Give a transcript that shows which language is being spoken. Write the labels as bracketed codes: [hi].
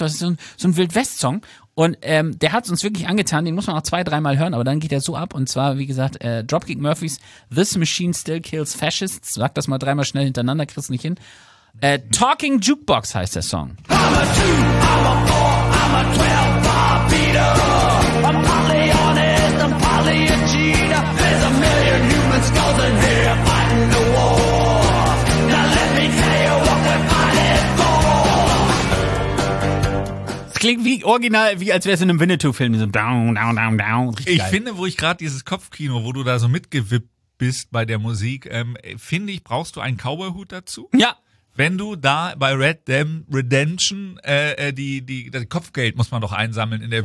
[de] Das ist so ein Wild-West-Song. Und der hat es uns wirklich angetan. Den muss man auch 2-3 Mal hören, aber dann geht er so ab. Und zwar, wie gesagt, Dropkick Murphys, This Machine Still Kills Fascists. Sag das mal 3-mal schnell hintereinander, kriegst du nicht hin. Talking Jukebox heißt der Song. [en] I'm a 2, I'm a 4, I'm a 12-bar beater. I'm partly honest, I'm partly a cheater. There's a million human skulls in here fighting the war. Now let me tell you what we're fighting for. [de] Es klingt wie original, wie als wäre es in einem Winnetou-Film. [en] So down, down, down, down. [de] Richtig ich geil. Finde, wo ich gerade dieses Kopfkino, wo du da so mitgewippt bist bei der Musik, finde ich, brauchst du einen Cowboy-Hut dazu? Ja. Wenn du da bei Red Dead Redemption das Kopfgeld muss man doch einsammeln in der